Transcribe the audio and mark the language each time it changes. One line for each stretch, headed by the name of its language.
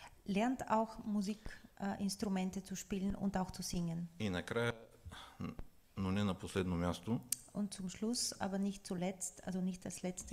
German: Lernt auch Musikinstrumente zu spielen und auch zu singen.
Bulgarian: И накрая, но не на последно място.
German: Und zum Schluss, aber nicht zuletzt, also nicht als letztes.